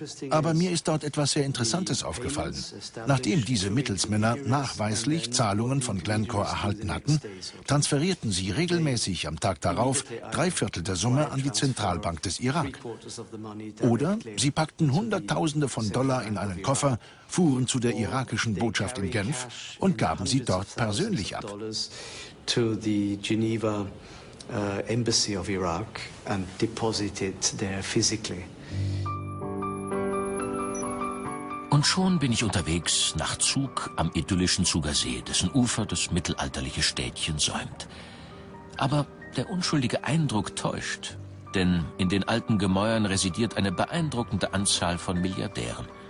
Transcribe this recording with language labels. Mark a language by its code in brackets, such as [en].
[de] Aber mir ist dort etwas sehr Interessantes aufgefallen. Nachdem diese Mittelsmänner nachweislich Zahlungen von Glencore erhalten hatten, transferierten sie regelmäßig am Tag darauf 3/4 der Summe an die Zentralbank des Irak. Oder sie packten Hunderttausende von Dollar in einen Koffer, fuhren zu der irakischen Botschaft in Genf und gaben sie dort persönlich ab. [en] To the Geneva Embassy of Iraq and deposited there physically. [de] Und schon bin ich unterwegs nach Zug am idyllischen Zuger See, dessen Ufer das mittelalterliche Städtchen säumt. Aber der unschuldige Eindruck täuscht, denn in den alten Gemäuern residiert eine beeindruckende Anzahl von Milliardären.